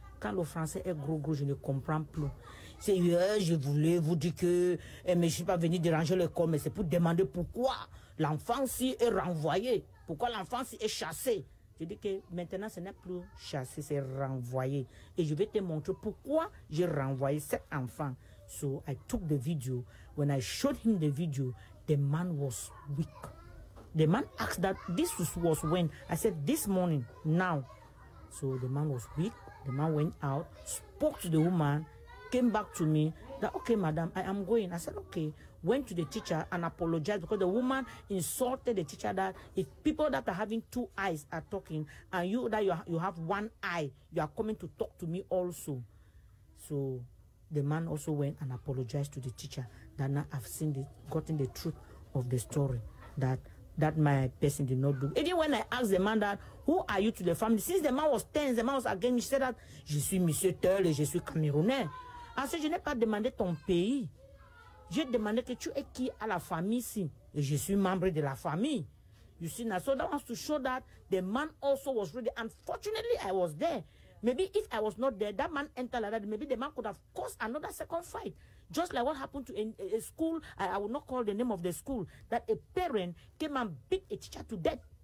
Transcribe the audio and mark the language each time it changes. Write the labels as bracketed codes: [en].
[fr] Quand le français est gros, je ne comprends plus. C'est je voulais vous dire que mais je ne suis pas venu déranger l'école, mais c'est pour demander pourquoi l'enfant si est renvoyé. Pourquoi l'enfant si est chassé? Je dis que maintenant ce n'est plus chassé, c'est renvoyé. Et je vais te montrer pourquoi j'ai renvoyé cet enfant. [en] So I took the video. When I showed him the video, the man was weak. The man asked that this was when. I said this morning, now. So the man was weak. The man went out, spoke to the woman, came back to me, that okay, madam, I am going. I said, okay. Went to the teacher and apologized because the woman insulted the teacher that if people that are having two eyes are talking and you that you have one eye, you are coming to talk to me also. So the man also went and apologized to the teacher that now I've seen the gotten the truth of the story that my person did not do. Even when I asked the man that, who are you to the family? Since the man was tense, the man was again, he said that, [fr] je suis Monsieur Tel et je suis Camerounais. [en] I said, [fr] je n'ai pas demandé ton pays. J'ai demandé que tu es qui à la famille ici. Et je suis membre de la famille. [en] You see now, so that wants to show that the man also was ready. Unfortunately, I was there. Maybe if I was not there, that man entered like that, maybe the man could have caused another second fight. Just like what happened to a school, I will not call the name of the school, that a parent came and beat a teacher to death.